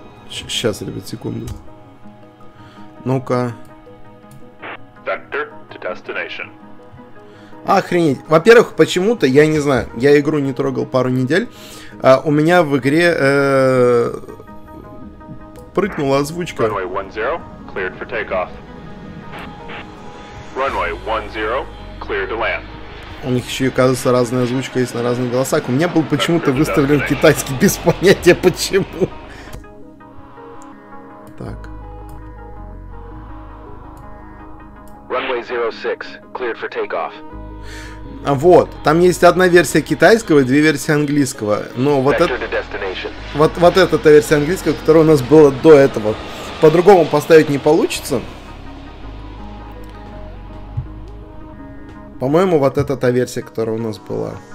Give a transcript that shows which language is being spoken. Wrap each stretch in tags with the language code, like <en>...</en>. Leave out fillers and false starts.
<ru>Сейчас, ребят, секунду. Ну-ка.</ru> <en>Vector to destination.</en> <ru>Охренеть. Во-первых, почему-то, я не знаю, я игру не трогал пару недель. А у меня в игре прыгнула озвучка.</ru> <en>Runway 10, cleared for takeoff. Runway 10, clear to land.</en> <ru>У них еще, оказывается, разная озвучка есть на разных голосах. У меня был почему-то выставлен китайский, без понятия почему. Так.</ru> <en>Runway 06, cleared for takeoff.</en> <ru>Вот, там есть одна версия китайского и две версии английского. Но вот это... Вот эта версия английского, которая у нас была до этого. По-другому поставить не получится. По-моему, вот это та версия, которая у нас была.</ru>